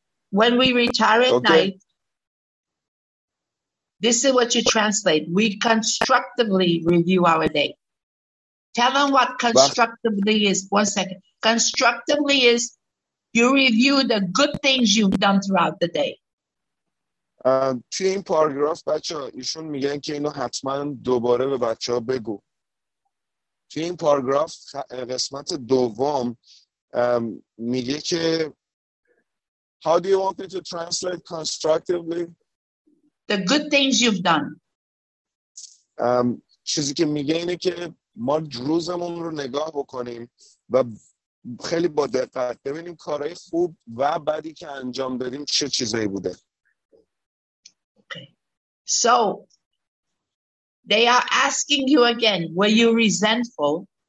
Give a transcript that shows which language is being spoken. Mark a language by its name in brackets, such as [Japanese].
[English] When we retire at night, this is what you translate. We constructively review our day. Tell them what constructively is. One second. Constructively is you review the good things you've done throughout the day. [Persian] توی این پاراگراف بچه ها ایشون میگن که اینو حتما دوباره به بچه ها بگو. توی این پاراگراف قسمت دوم میگه که [English] How do you want me to translate constructively? The good things you've done. [Persian] چیزی که میگه اینه که ما روزمون رو نگاه بکنیم و خیلی با دقت ببینیم کارهای خوب و بدی که انجام دادیم چه چیزایی بوده. [English] So, they are asking you again, were you resentful?